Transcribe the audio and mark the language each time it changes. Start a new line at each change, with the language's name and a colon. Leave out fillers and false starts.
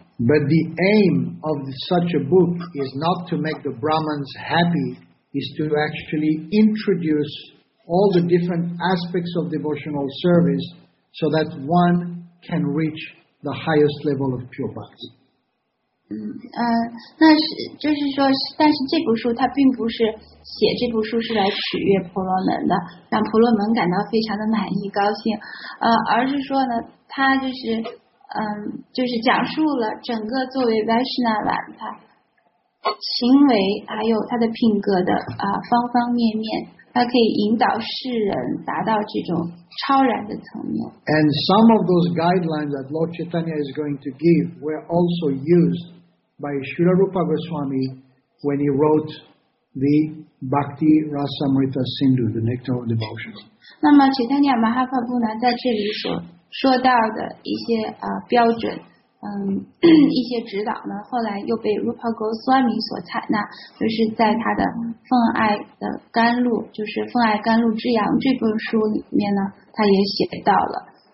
English: But the aim of such a book is not to make the Brahmins happy, is to actually introduce all the different aspects of devotional service so that one can reach the highest level of pure bhakti.
Chinese: 那是就是说，但是这部书它并不是写这部书是来取悦婆罗门的，让婆罗门感到非常的满意高兴，而是说呢，他就是就是讲述了整个作为 Vaishnava 他行为还有他的品格的方方面面，他可以引导世人达到这种超然的层面。
English: And some of those guidelines that Lord Chaitanya is going to give were also used by Srila Rupa Goswami when he wrote. The Bhakti Rasamrita Sindhu, the Nectar of Devotion.
Chinese: 那么 Chaitanya Mahaprabhu 呢，在这里所说到的一些标准，一些指导呢，后来又被 Rupa Goswami 所采纳，就是在他的《奉爱的甘露》，就是《奉爱甘露之阳》这本书里面呢，他也写到了。